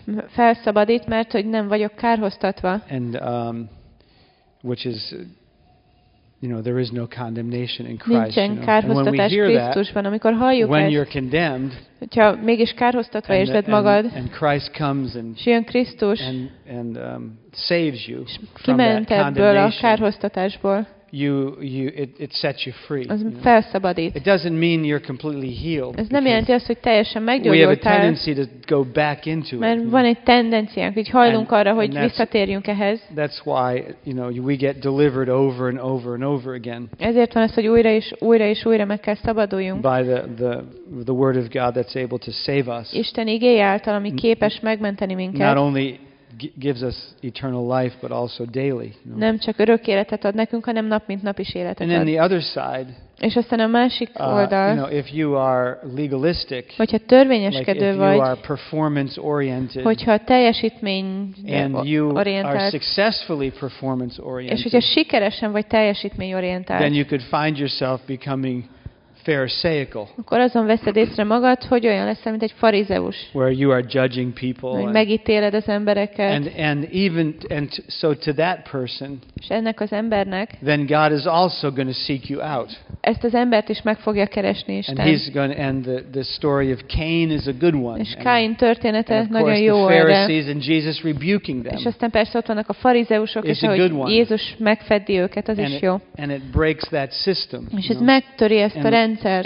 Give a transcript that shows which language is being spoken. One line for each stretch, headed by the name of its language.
Hungarian: Felszabadít, mert hogy nem vagyok kárhoztatva.
English: And which is, you know, there is no condemnation in Christ.
Hungarian: Nincsen kárhoztatás Krisztusban, amikor halljuk
English: when
Hungarian: ezt.
English: When you're condemned,
Hungarian: hogyha mégis kárhoztatva érzed magad,
English: and Christ comes and
Hungarian: jön Krisztus,
English: and saves you from that condemnation,
Hungarian: a kárhoztatásból.
English: It sets you free.
Hungarian: Az felszabadít.
English: It doesn't mean you're completely healed.
Hungarian: Ez nem jelenti azt, hogy teljesen meggyógyultál.
English: We have a tendency to go back into it.
Hungarian: Mert van egy tendenciánk, hogy hajlunk arra, hogy visszatérjünk ehhez.
English: That's why, you know, we get delivered over and over and over again.
Hungarian: Ezért van az, hogy újra és újra és újra meg kell szabaduljunk.
English: By the word of God that's able to save us.
Hungarian: Isten igéje által, ami képes megmenteni minket.
English: Not only gives us eternal life, but also daily. You know?
Hungarian: Nem csak örök életet ad nekünk, hanem nap mint nap is életet ad.
English: And then the other side.
Hungarian: És aztán a másik oldal.
English: You know, if you are legalistic.
Hungarian: Hogyha törvényeskedő
English: like
Hungarian: vagy.
English: If you are performance oriented.
Hungarian: Hogyha teljesítmény
English: and you
Hungarian: orientált.
English: Are successfully performance oriented.
Hungarian: És hogyha sikeresen vagy teljesítmény orientált.
English: Then you could find yourself becoming pharisaical.
Hungarian: Akkor azon veszed észre magad, hogy olyan leszel, mint egy farizeus.
English: Where you are judging people.
Hungarian: Hogy megítéled az embereket.
English: And so to that person.
Hungarian: És ennek az embernek.
English: Then God is also going to seek you out.
Hungarian: Ezt az embert is meg fogja keresni Isten.
English: And he's going to, and the story of Cain is a good one.
Hungarian: És Káin története nagyon jó.
English: And of course the Pharisees and Jesus rebuking them.
Hungarian: És aztán persze ott vannak a farizeusok, és ahogy Jézus megfeddi őket, az is jó.
English: And it breaks that system.
Hungarian: És ez megtöri ezt a rendszert.